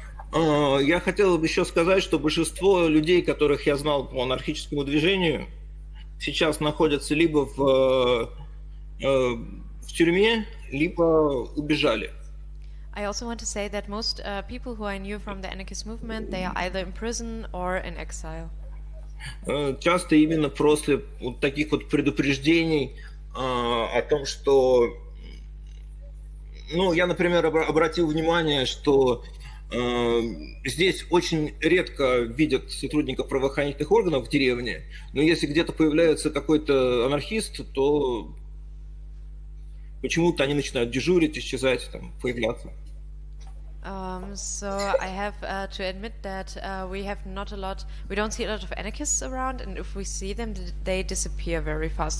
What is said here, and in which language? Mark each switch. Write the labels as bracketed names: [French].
[Russian] Я хотел бы еще сказать, что большинство людей, которых я знал по анархическому движению, сейчас находятся либо в тюрьме, либо убежали. [English] I also want to say that most people who I knew from the anarchist movement, they are either in prison or in exile. [Russian] Часто именно после вот таких вот предупреждений о том, что... Ну, я, например, обратил внимание, что здесь очень редко видят сотрудников правоохранительных органов в деревне, но если где-то появляется какой-то анархист, то почему-то они начинают дежурить, исчезать, там, появляться. [English] So I have to admit that we have not a lot, we don't see a lot of anarchists around, and if we see them, they disappear very fast.